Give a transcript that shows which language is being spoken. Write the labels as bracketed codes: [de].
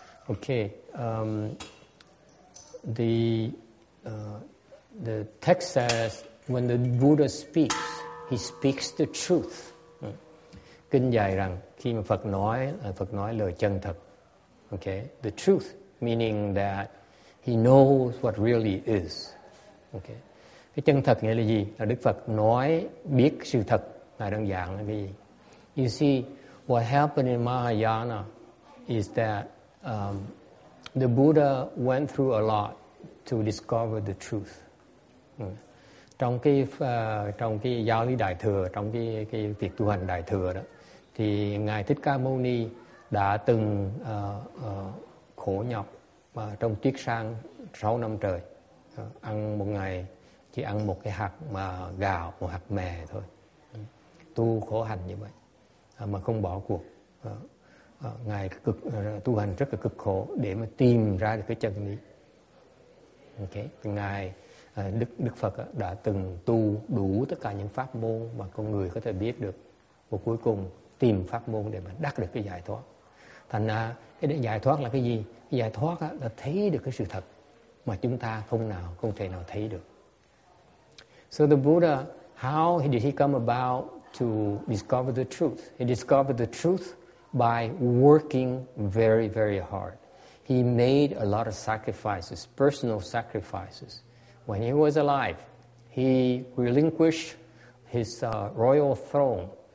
[en] Okay, the text says, when the Buddha speaks, he speaks the truth. [vi] Kinh dạy rằng, khi mà Phật nói lời chân thật. [en] Okay, the truth, meaning that he knows what really is. Okay. [vi] Cái chân thật nghĩa là gì? Là Đức Phật nói biết sự thật là đơn giản là cái gì? [en] You see, what happened in Mahayana is that the Buddha went through a lot to discover the truth. [vi] Trong cái giáo lý đại thừa, trong cái việc tu hành đại thừa đó, thì Ngài Thích Ca Mâu Ni đã từng khổ nhọc trong triết sang 6 năm trời, ăn một ngày chỉ ăn một cái hạt mà gạo, một hạt mè thôi. Tu khổ hành như vậy, mà không bỏ cuộc. Ngài cực tu hành rất là cực khổ để mà tìm ra được cái chân lý. Okay. Ngài, Đức Phật đã từng tu đủ tất cả những pháp môn mà con người có thể biết được. Và cuối cùng tìm pháp môn để mà đắc được cái giải thoát. Thành ra, cái giải thoát là cái gì? Cái giải thoát là thấy được cái sự thật mà chúng ta không thể nào thấy được. [en] So the Buddha, how did he come about to discover the truth? He discovered the truth by working very, very hard. He made a lot of sacrifices, personal sacrifices. When he was alive, he relinquished his royal throne.